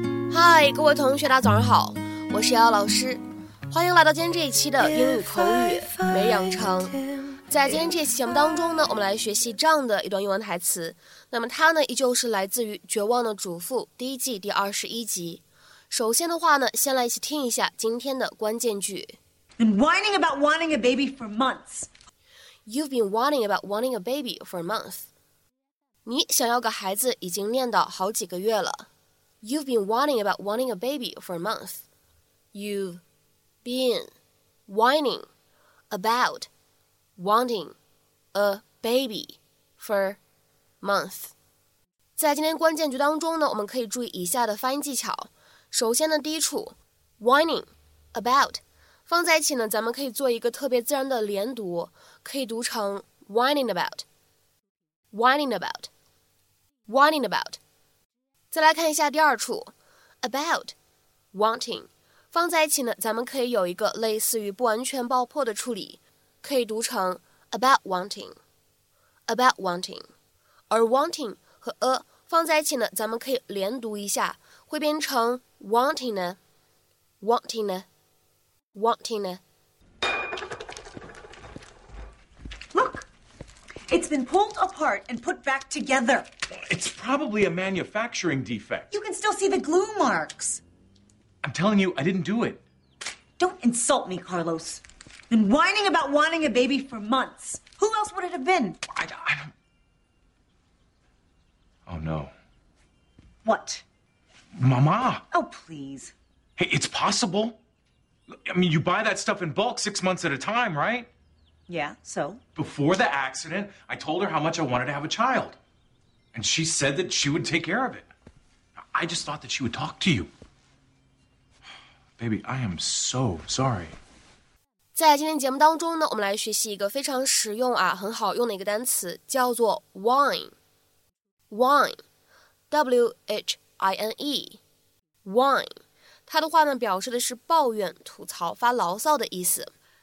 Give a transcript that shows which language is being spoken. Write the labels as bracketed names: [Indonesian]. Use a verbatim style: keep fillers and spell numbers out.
[Chinese] 嗨，各位同学，大家早上好，我是瑶瑶老师，欢迎来到今天这一期的英语口语每养成。在今天这期节目当中呢，我们来学习这样的一段英文台词。那么它呢，依旧是来自于《绝望的主妇》第一季第二十一集。首先的话呢，先来一起听一下今天的关键句。 [English] Been whining about wanting a baby for months. You've been whining about wanting a baby for months. [Chinese] 你想要个孩子已经念叨好几个月了。 [English] You've been whining about wanting a baby for months. You've been whining about. Wanting a baby for month. [Chinese] 在今天关键句当中呢，我们可以注意以下的发音技巧。首先呢，第一处 whining about 放在一起呢，咱们可以做一个特别自然的连读，可以读成 [English] whining about, whining about, whining about。 [Chinese] 再来看一下第二处 about wanting 放在一起呢，咱们可以有一个类似于不完全爆破的处理。可以读成 [English] about wanting, about wanting, [Chinese] 而 wanting 和 a 放在一起呢，咱们可以连读一下，会变成 wanting 呢 ，wanting 呢 ，wanting 呢。 [English] Look, it's been pulled apart and put back together. It's probably a manufacturing defect. You can still see the glue marks. I'm telling you, I didn't do it. Don't insult me, Carlos. Been whining about wanting a baby for months. Who else would it have been? I, I don't... Oh, no. What? Mama. Oh, please. Hey, it's possible. I mean, you buy that stuff in bulk six months at a time, right? Yeah, so? Before the accident, I told her how much I wanted to have a child. And she said that she would take care of it. I just thought that she would talk to you. Baby, I am so sorry. [Chinese] 在今天节目当中呢，我们来学习一个非常实用啊，很好用的一个单词，叫做 whine。 [English] whine, w-h-i-n-e, whine。 [Chinese] 它的话呢，表示的是抱怨、吐槽、发牢骚的意思。